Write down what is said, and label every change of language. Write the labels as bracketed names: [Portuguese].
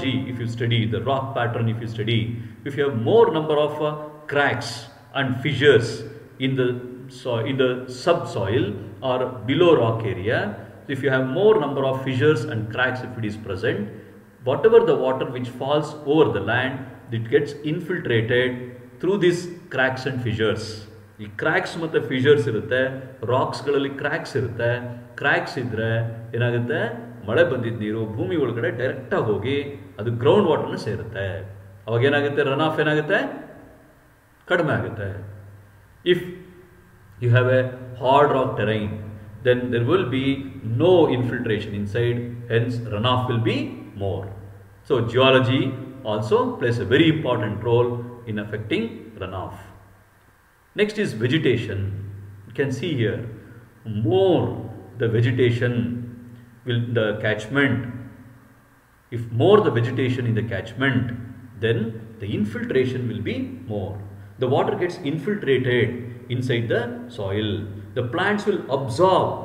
[English] If you study the rock pattern, if you have more number of cracks and fissures in the subsoil or below rock area, if you have more number of fissures and cracks, if it is present, whatever the water which falls over the land, it gets infiltrated through these cracks and fissures. [Kannada] The cracks matha fissures irutte, rocks galalli cracks irutte, cracks idre enagutte, ಮಳೆ ಬಂದಿದ್ದ ನೀರು ಭೂಮಿ ಒಳಗಡೆ ಡೈರೆಕ್ಟಾಗಿ ಹೋಗಿ ಅದು ground ವಾಟರ್ನ ಸೇರುತ್ತೆ. ಅವಾಗ ಏನಾಗುತ್ತೆ, ರನ್ ಆಫ್ ಏನಾಗುತ್ತೆ, ಕಡಿಮೆ ಆಗುತ್ತೆ. [English] If you have a hard rock terrain, then there will be no infiltration inside, hence run off will be more. So geology also plays a very important role in effecting run off. Next is vegetation. You can see here, more the vegetation will the catchment, if more the vegetation in the catchment, then the infiltration will be more. The water gets infiltrated inside the soil. The plants will absorb